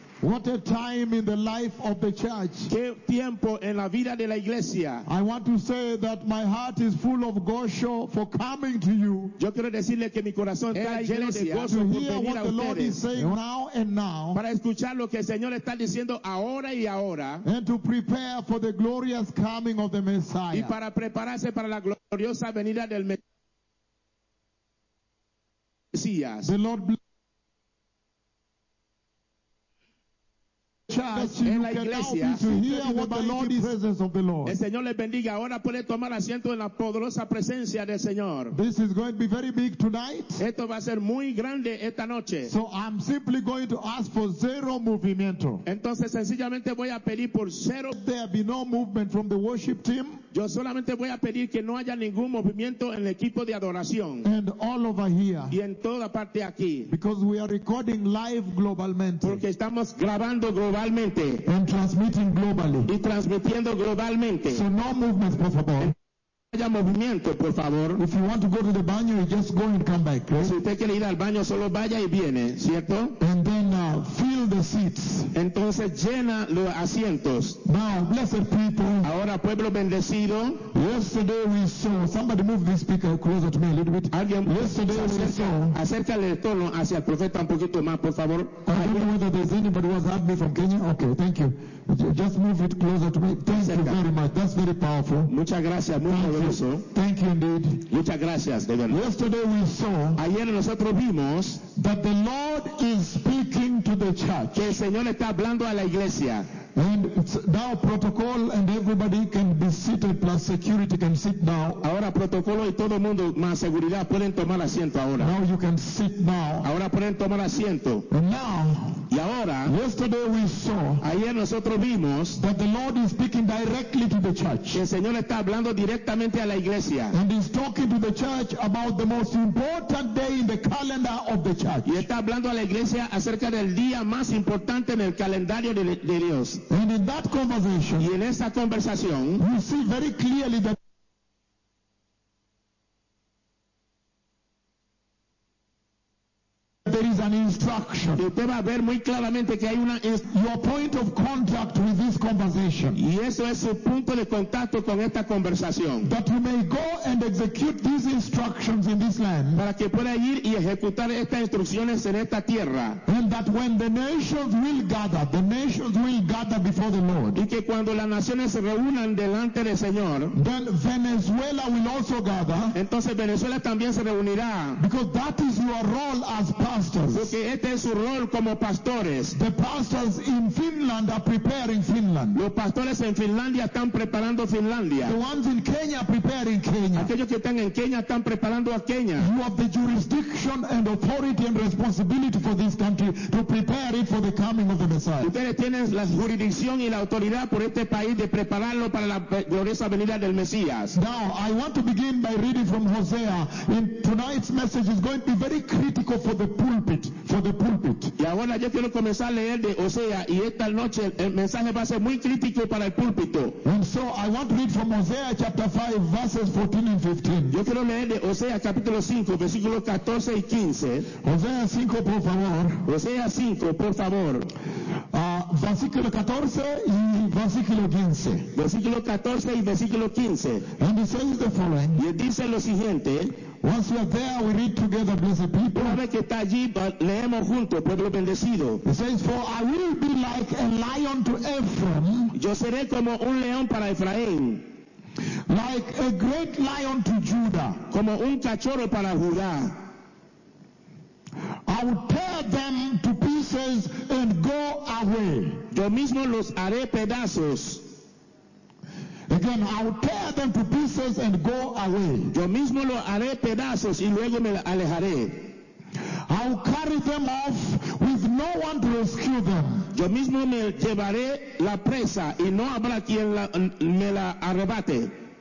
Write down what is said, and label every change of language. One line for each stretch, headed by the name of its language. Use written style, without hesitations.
English: What a time in the life of the church.
Spanish: Qué tiempo en la vida de la iglesia.
English: I want to say that my heart is full of gozo for coming to you.
Spanish: Yo quiero decirle que mi corazón está lleno de gozo por venir a ustedes.
English: To hear what the Lord is saying now and now.
Spanish: Para escuchar lo que el Señor está diciendo ahora y ahora.
English: And to prepare for the glorious coming of the Messiah.
Spanish: Y para prepararse para la gloriosa venida del Mesías.
English: The Lord bless
Spanish: el Señor le bendiga. Ahora puede tomar asiento en la poderosa presencia del Señor.
English: This is going to be very big tonight.
Spanish: Esto va a ser muy grande esta noche.
English: So I'm simply going to ask for zero movimiento.
Spanish: Entonces sencillamente voy a pedir por cero.
English: There be no movement from the worship team.
Spanish: Yo solamente voy a pedir que no haya ningún movimiento en el equipo de adoración.
English: And all over here.
Spanish: Y en toda parte aquí.
English: Because we are recording live globalmente.
Spanish: Porque estamos grabando globalmente.
English: And transmitting globally.
Spanish: Y transmitiendo globalmente.
English: So no movements,
Spanish: por favor. Haya movimiento, por favor.
English: If you want to go to the baño, you just go and come back.
Spanish: Si usted quiere ir al baño, solo vaya y viene, ¿cierto?
English: And then fill the seats.
Spanish: Entonces llena los asientos.
English: Now, blessed people.
Spanish: Ahora, pueblo bendecido.
English: Yesterday we saw. Somebody move this speaker closer to me a little bit.
Spanish: Alguien.
English: Yesterday we saw.
Spanish: Acércale el tono hacia el profeta un poquito más, por favor.
English: I don't know whether there's anybody who has had me from Kenya. Okay, thank you. Just move it closer to me. Thank
Spanish: acerca.
English: You very much. That's very powerful.
Spanish: Muchas gracias. Muy poderoso.
English: Thank you indeed.
Spanish: Muchas gracias, de verdad.
English: Yesterday we saw.
Spanish: Ayer nosotros vimos.
English: That the Lord is speaking to the church.
Spanish: Que el Señor está hablando a la iglesia.
English: And it's now protocol and everybody can be seated plus security can sit now.
Spanish: Ahora protocolo y todo mundo más seguridad pueden tomar asiento ahora.
English: Now you can sit now.
Spanish: Ahora pueden tomar asiento.
English: And now.
Spanish: Y ahora.
English: Yesterday we saw.
Spanish: Ayer nosotros vimos.
English: That the Lord is speaking directly to the church.
Spanish: El Señor está hablando directamente a la iglesia.
English: And he's talking to the church about the most important day in the calendar of the church.
Spanish: Y está hablando a la iglesia acerca del día más importante en el calendario de Dios.
English: And in that conversation,
Spanish: y en esa conversación,
English: you see very clearly that there is an instruction.
Spanish: Y usted va a ver muy claramente que hay una
English: your point of contact with this conversation.
Spanish: Y eso es su punto de contacto con esta conversación.
English: That you may go and execute these instructions in this land.
Spanish: Para que pueda ir y ejecutar estas instrucciones en esta tierra.
English: And that when the nations will gather before the Lord.
Spanish: Y que cuando las naciones se reúnan delante del Señor,
English: then Venezuela will also gather.
Spanish: Entonces Venezuela también se reunirá.
English: Because that is your role as pastors.
Spanish: Porque este es su rol como pastores.
English: The pastors in Finland are preparing Finland.
Spanish: Los pastores en Finlandia están preparando Finlandia.
English: The ones in Kenya are preparing Kenya.
Spanish: Aquellos que están en Kenia están preparando a Kenia.
English: You have the jurisdiction and authority and responsibility for this country to prepare it for the coming of the Messiah.
Spanish: Ustedes tienen la jurisdicción y la autoridad por este país de prepararlo para la gloriosa venida del Mesías.
English: Now, I want to begin by reading from Hosea. In tonight's message is going to be very critical for the pulpit, for the pulpit.
Spanish: Y ahora yo quiero comenzar a leer de Hosea y esta noche el mensaje va a ser muy crítico para el púlpito.
English: And so I want to read from Hosea chapter 5 verses 14 and 15.
Spanish: Yo quiero leer de Hosea capítulo 5 versículos 14 y 15. Hosea 5 por favor. Hosea 5 por favor. Versículo 14 y versículo 15. Versículo 14 y versículo 15.
English: And it says the following.
Spanish: Y dice lo siguiente.
English: Once you are there, we read together, blessed people.
Spanish: Una vez que está allí, leemos juntos, pueblo bendecido.
English: It says, for I will be like a lion to Ephraim.
Spanish: Yo seré como un león para Efraín.
English: Like a great lion to Judah.
Spanish: Como un cachorro para Judá.
English: I will tear them to pieces and go away.
Spanish: Yo mismo los haré pedazos.
English: Again, I will tear them to pieces and go away.
Spanish: Yo mismo lo haré pedazos y luego me alejaré.
English: I will carry them off with no one to rescue them.
Spanish: Yo mismo me llevaré la presa y no habrá quien me la arrebate.